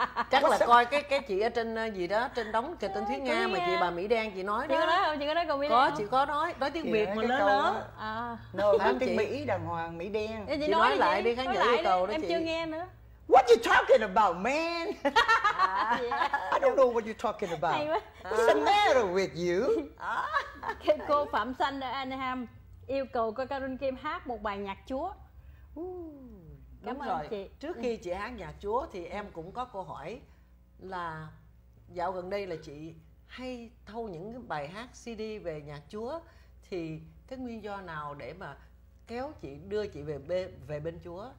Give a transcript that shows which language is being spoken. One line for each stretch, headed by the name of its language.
Vietnamese: Chắc là coi cái chị ở trên gì đó, trên đóng kịch tên Thúy Nga mà chị bà Mỹ đen chị nói đó. Chị có nói không? Chị có nói câu Mỹ đen có, chị có nói tiếng Việt mà lớn lớn. No, nói tiếng Mỹ đàng hoàng, Mỹ đen. Chị nói lại đi, khán giả yêu cầu đó chị. Em chưa nghe nữa.
English: What you talking about, man? I don't know what you talking about. What's the matter with you?
Vietnamese: Cô Phạm Xanh ở Anaheim yêu cầu cô Carol Kim hát một bài nhạc Chúa. Cảm ơn chị. Trước khi chị hát nhạc Chúa thì em cũng có câu hỏi là dạo gần đây là chị hay thâu những cái bài hát CD về nhạc Chúa, thì cái nguyên do nào để mà kéo chị, đưa chị về bên Chúa?